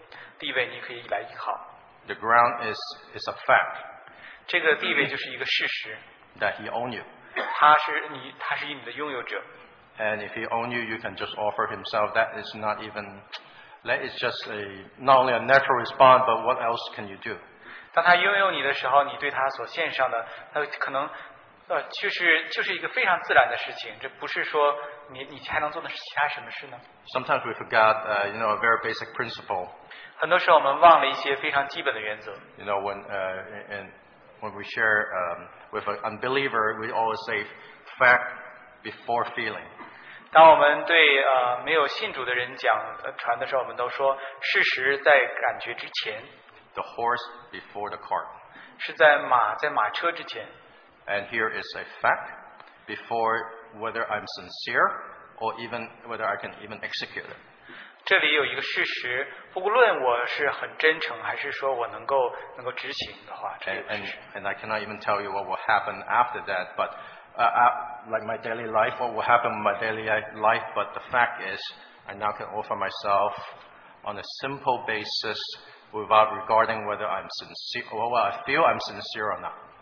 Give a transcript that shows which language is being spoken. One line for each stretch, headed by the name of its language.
Chinese: 其实你可以说是一个新的开始，但是一个非常坚实的地位，你可以来依靠。The
English: ground is a fact.
Chinese: 这个地位就是一个事实。
English: That he owns you.
Chinese: 他是你的拥有者。
English: And if he owns you, you can just offer himself. That is not even, that is just a, not only a natural response, but what else can you do?
Chinese: 当他拥有你的时候，你对他所献上的， 他可能, 就是一个非常自然的事情, 这不是说, 你还能做的是其他什么事呢?
English: Sometimes we forget, you know, a very basic principle.
Chinese: 很多时候我们忘了一些非常基本的原则。
English: You know, when we share with an unbeliever, we always say fact before feeling.
Chinese: 当我们对 没有信主的人讲 传的时候, 我们都说事实在感觉之前。
English: The horse before the cart.
Chinese: 是在马, 在马车之前。
English: And here is a fact before whether I'm sincere or even whether I can even execute it.
Chinese: 这里有一个事实, 不论我是很真诚还是说我能够执行的话,
English: and I cannot even tell you what will happen after that, but like my daily life, what will happen in my daily life, but the fact is I now can offer myself on a simple basis without regarding whether I'm sincere or whether I feel I'm sincere or not.